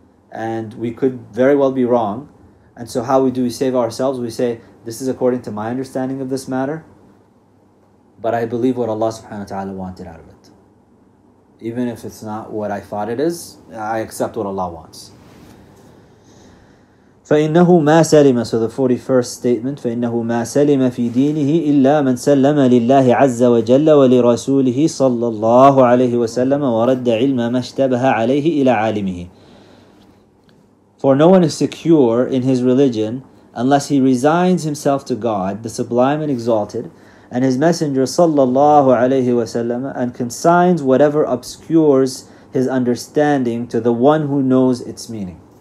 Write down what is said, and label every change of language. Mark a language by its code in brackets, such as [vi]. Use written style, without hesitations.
[en] And we could very well be wrong. And so how do we save ourselves? We say, this is according to my understanding of this matter, but I believe what Allah subhanahu wa ta'ala wanted out of it. Even if it's not what I thought it is, I accept what Allah wants. [ar] فَإِنَّهُ مَا سَلِمَ, [en] so the 41st statement, [ar] فَإِنَّهُ مَا سَلِمَ فِي دِينِهِ إِلَّا مَنْ سَلَّمَ لِلَّهِ عَزَّ وَجَلَّ وَلِرَسُولِهِ صَلَّى اللَّهُ عَلَيْهِ وَسَلَّمَ وَرَدَّ عِلْمَ مَا اشْتَبَهَ عَلَيْهِ إِلَى عَالِمِهِ. [en] For no one is secure in his religion unless he resigns himself to God, the Sublime and Exalted, and his Messenger, sallallahu alayhi wa sallam, and consigns whatever obscures his understanding to the one who knows its meaning.